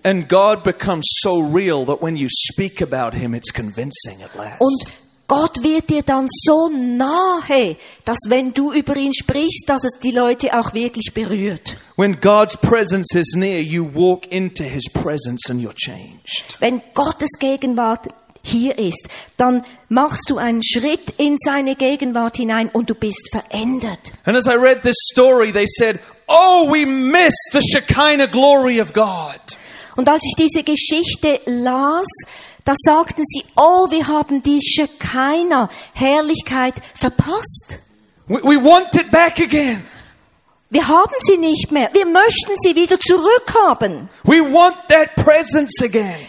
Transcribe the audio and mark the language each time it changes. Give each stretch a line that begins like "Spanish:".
English: And God becomes so real that when you speak about him, it's convincing at last.
German: Und Gott wird dir dann so nahe, dass wenn du über ihn sprichst, dass es die Leute auch wirklich berührt.
English: When God's presence is near, you walk into his presence and you're changed.
German: Wenn Gottes Gegenwart hier ist, dann machst du einen Schritt in seine Gegenwart hinein und du bist verändert.
English: And as I read this story, they said, "Oh, we missed the Shekinah glory of God."
German: Und als ich diese Geschichte las, da sagten sie, oh, wir haben die Shekinah Herrlichkeit verpasst.
English: We want it back again.
German: Wir haben sie nicht mehr. Wir möchten sie wieder zurückhaben.
English: We want that presence again.